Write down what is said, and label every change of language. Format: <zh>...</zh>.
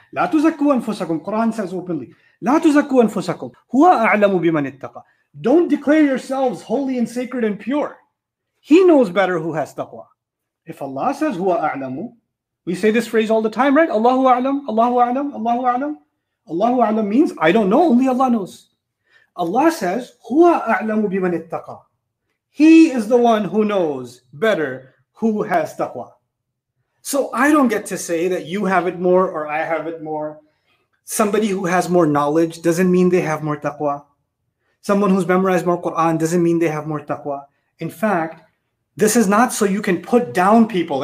<ar>لا تزكوا أنفسكم.</ar> <en>Quran says openly.</en> <ar>لا تزكوا أنفسكم. هو أعلم بمن اتقى.</ar> <en>Don't declare yourselves holy and sacred and pure. He knows better who has taqwa. If Allah says</en> <ar>هو أعلم,</ar> <en>we say this phrase all the time, right? Allahu أعلم. Allahu أعلم. Allahu أعلم. Allahu أعلم means I don't know. Only Allah knows. Allah says</en> <ar>هو أعلم بمن اتقى.</ar> <en>He is the one who knows better who has taqwa. So I don't get to say that you have it more or I have it more. Somebody who has more knowledge doesn't mean they have more taqwa. Someone who's memorized more Quran doesn't mean they have more taqwa. In fact, this is not so you can put down people.</en>